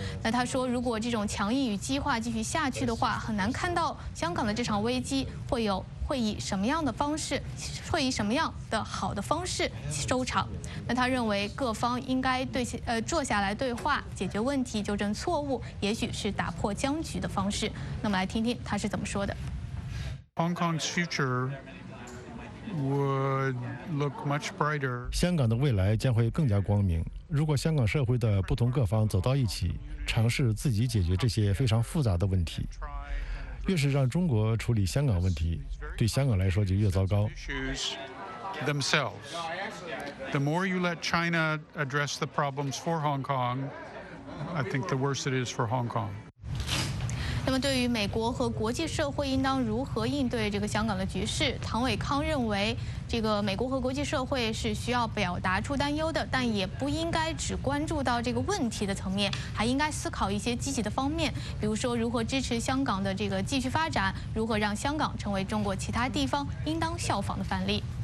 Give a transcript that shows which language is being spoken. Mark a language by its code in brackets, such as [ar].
[zh] 那他说，如果这种强硬与激化继续下去的话，很难看到香港的这场危机会以什么样的方式，会以什么样的好的方式收场。那他认为各方应该坐下来对话，解决问题，纠正错误，也许是打破僵局的方式。那么来听听他是怎么说的。 [en] Hong Kong's future would look much brighter. [zh] 香港的未来将会更加光明，如果香港社会的不同各方走到一起，尝试自己解决这些非常复杂的问题，越是让中国处理香港问题，对香港来说就越糟糕。 [en] The more you let China address the problems for Hong Kong, I think the worse it is for Hong Kong. [zh] 那么，对于美国和国际社会应当如何应对这个香港的局势，唐伟康认为，这个美国和国际社会是需要表达出担忧的，但也不应该只关注到这个问题的层面，还应该思考一些积极的方面，比如说如何支持香港的这个继续发展，如何让香港成为中国其他地方应当效仿的范例。